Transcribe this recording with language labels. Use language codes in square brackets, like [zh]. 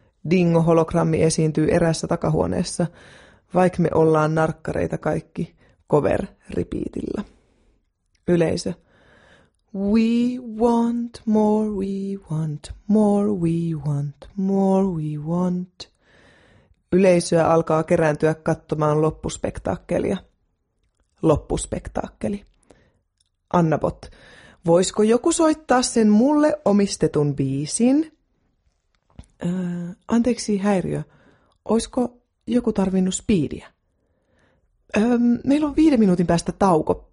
[fi] Dingo-hologrammi esiintyy erässä takahuoneessa. Vaikka me ollaan narkkareita kaikki, cover repeatillä. Yleisö. [en] We want more, we want more, we want more, we want. [fi] Yleisöä alkaa kerääntyä katsomaan loppuspektaakkelia. Loppuspektaakkeli. Annabot. Voisiko joku soittaa sen mulle omistetun biisin? Anteeksi häiriö. Oisko joku tarvinnut speedia? Meillä on 5 minuutin päästä tauko.